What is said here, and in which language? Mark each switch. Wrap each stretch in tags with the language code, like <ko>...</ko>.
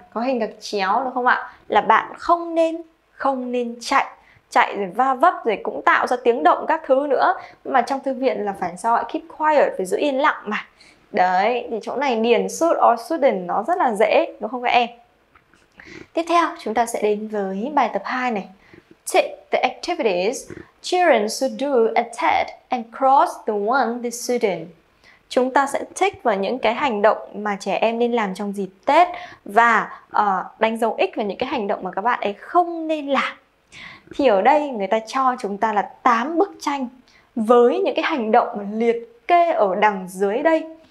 <vi>Có hình gạch chéo đúng không ạ? Là bạn không nên chạy. Chạy rồi va vấp rồi cũng tạo ra tiếng động các thứ nữa. Mà trong thư viện là phải sao ạ?</vi> <en>Keep quiet,</en> <vi>phải giữ yên lặng mà. Đấy, thì chỗ này điền should or shouldn't nó rất là dễ, đúng không các em? Tiếp theo, chúng ta sẽ đến với bài tập 2 này.</vi> <en>Take the activities children should do at TED and cross the one they shouldn't.</en> <vi>Chúng ta sẽ tick vào những cái hành động mà trẻ em nên làm trong dịp Tết và đánh dấu X vào những cái hành động mà các bạn ấy không nên làm. Thì ở đây người ta cho chúng ta là 8 bức tranh với những cái hành động liệt kê ở đằng dưới đây.</vi>